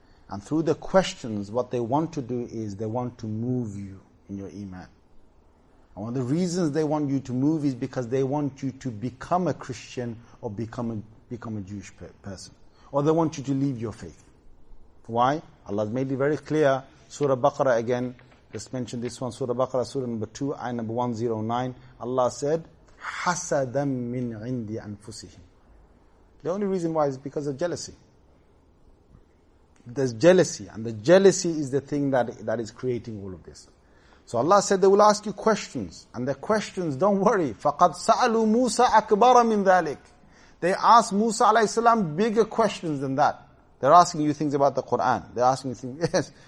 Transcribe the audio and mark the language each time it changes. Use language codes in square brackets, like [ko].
[en] And through the questions, what they want to do is they want to move you in your iman. And one of the reasons they want you to move is because they want you to become a Christian or become a Jewish person. Or they want you to leave your faith. Why? Allah has made it very clear. Surah Baqarah again. Let's mention this one. Surah Baqarah, Surah number 2, Ayah number 109. Allah said, [ar] حَسَدًا مِّنْ عِنْدِ أَنفُسِهِمْ. [en] The only reason why is because of jealousy. There's jealousy, and the jealousy is the thing that is creating all of this. So Allah said they will ask you questions, and the questions, don't worry, [ar] فَقَدْ سَأَلُوا مُوسَىٰ أَكْبَرَ مِنْ ذَلِكَ. [en] They ask Musa alayhi salam bigger questions than that. They're asking you things about the Qur'an. They're asking you things, yes.